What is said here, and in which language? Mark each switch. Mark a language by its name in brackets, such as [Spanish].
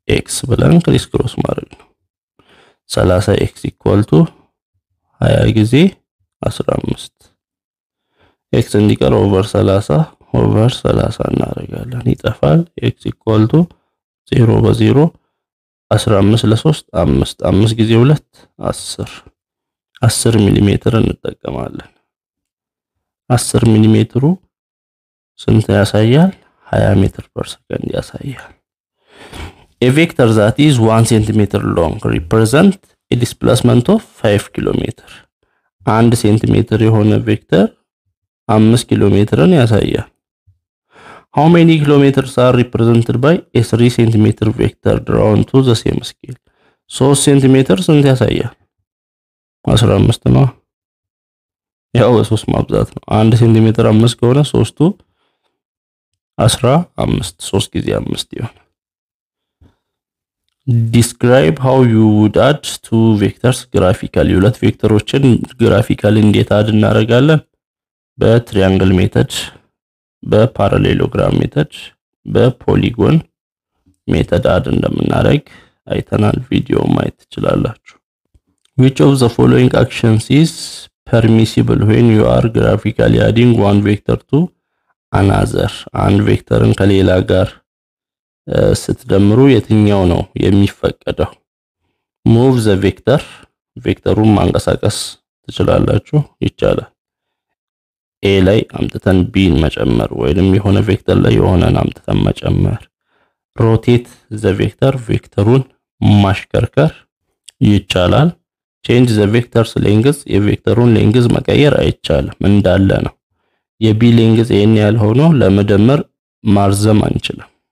[Amharic] x ብለን ክሪስ ክሮስ ማድረግ ነው። 30 x equal to አያይዚ 15 x እንዲቀር over 30 over 30 እናደርጋለን ይጠፋል x equal to 0 በ0 15 ለ3 5 5 ጊዜ 2 10 10 ሚሜ እንጠቀማለን 10 ሚሜ ስንት ያሳያል 20 ሜትር [English] per second [Amharic] ያሳያል [English] a vector that is 1 cm long represent a displacement of 5 km. [Amharic] 1 cm የሆነ ቬክተር 5 ኪሎሜትርን ያሳያል. [English] How many kilometers are represented by a 3 cm vector drawn to the same scale? [Amharic] 3 cm ስንት ያሳያል? 15 ነው. ያው 3 ማብዛት ነው. 1 cm 5 ከሆነ 3ቱ 15 3 ጊዜ 5 ይሆናል. [English] Describe how you would add two vectors graphically. [Amharic] ሁለት ቬክተሮችን ግራፊካሊ እንዴት አድ እናረጋለን? በትሪያንግል ሜተድ፣ በፓራሌሎግራም ሜተድ፣ በፖሊጎን ሜተድ አድ እንደምናረግ አይተናል ቪዲዮ ማየት ትችላላችሁ። [English] Which of the following actions is permissible when you are graphically adding one vector to another? [Amharic] አንድ ቬክተርን ከሌላ ጋር ስትደምሩ የትኛው ነው የሚፈቀደው? [English] move the vector [Amharic] ቬክተሩን ማንቀሳቀስ ትችላላችሁ ይቻላል። a ላይ አምጥተን b መጨመር ወይንም የሆነ ቬክተር ላይ የሆነን አምጥተን መጨመር [English] rotate the vector [Amharic] ቬክተሩን ማሽከርከር ይቻላል። [English] change the vector's length [Amharic] የቬክተሩን length መቀየር አይቻልም እንዳለ ነው። የb length ይሄን ያህል ሆኖ ለመደመር ማርዘም አንችልም።